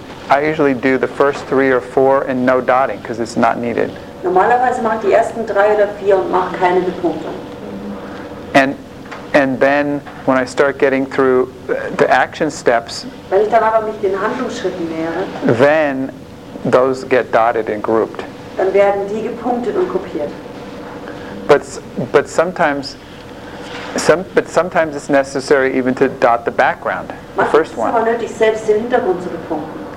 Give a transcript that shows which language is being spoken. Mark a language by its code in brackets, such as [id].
[en] I usually do the first three or four and no dotting because it's not needed. [de] Normalerweise mache ich die ersten drei oder vier und mache keine Bepunktung. [en] And then when I start getting through the action steps, [de] wenn ich dann aber mich den Handlungsschritten nähere, [en] then those get dotted and grouped. [de] Dann werden die gepunktet und kopiert. [en] But sometimes it's necessary even to dot the background, [de] manchmal [en] the first one. [de] Ist es aber nötig, selbst den Hintergrund zu bepunkten.